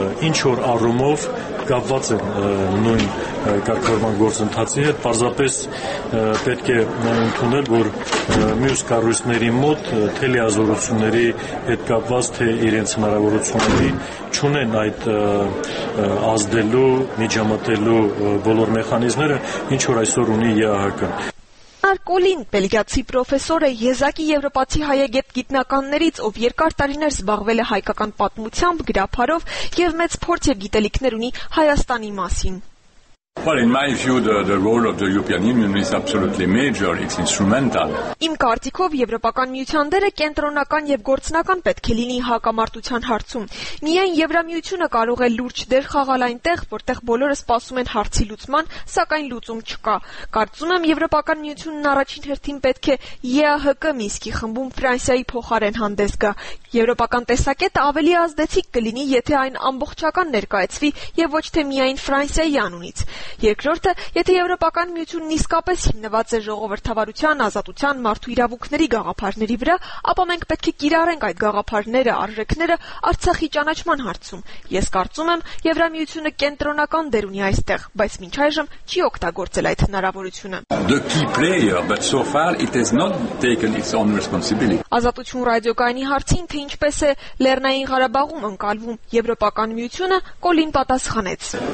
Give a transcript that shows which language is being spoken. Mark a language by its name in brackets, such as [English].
[Armenian] ինչ որ առումով կապված են նույն կարգավորման գործընթացի հետ, պարզապես պետք է ընդունել, որ մյուս կառույցների մոտ թելիազորությունների հետ կապված, թե իրենց հնարավորությունների չունեն այդ ազդելու, միջամտելու բոլոր մեխանիզմները, ինչ որ այսօր ունի ԵԱՀԿ-ը։ Արկոլին, բելգիացի պրոֆեսոր է, եզակի եվրոպացի հայագետ գիտնականներից, ով երկար տարիներ զբաղվել է հայկական պատմությամբ, գրաբարով և մեծ փորձ և գիտելիքներ ունի Հայաստանի մասին։ [English] Well, in my view, the role of the European Union is absolutely major. It's instrumental. [Armenian] Իմ կարծիքով եվրոպական միության դերը կենտրոնական և գործնական պետք է լինի հակամարտության հարցում։ Միայն Եվրամիությունը կարող է լուրջ դեր խաղալ այնտեղ, որտեղ բոլորը սպասում են հարցի լուծման, սակայն լուծում չկա։ Կարծում եմ, եվրոպական միությունն առաջին հերթին պետք է ԵԱՀԿ Մինսկի խմբում Ֆրանսիայի փոխարեն հանդես գա։ Եվրոպական տեսակետը ավելի ազդեցիկ կլինի, եթե այն ամբողջական ներկայացվի և ոչ թե միայն Ֆրանսիայի անունից։ Երկրորդը, եթե Եվրոպական միությունն իսկապես հիմնված է ժողովրդավարության, ազատության, մարդու իրավունքների գաղափարների վրա, ապա մենք պետք է կիրառենք այդ գաղափարները, արժեքները Արցախի ճանաչման հարցում։ Ես կարծում եմ, Եվրամիությունը կենտրոնական դեր ունի այստեղ, բայց մինչ այժմ չի օգտագործել այդ հնարավորությունը։ [English] The key player, but so far it has not taken its own responsibility. [Armenian] Ազատություն ռադիոկայանի հարցին, թե ինչպես է Լեռնային Ղարաբաղում ընկալվում Եվրոպական միությունը, Կոլին պատասխանեց.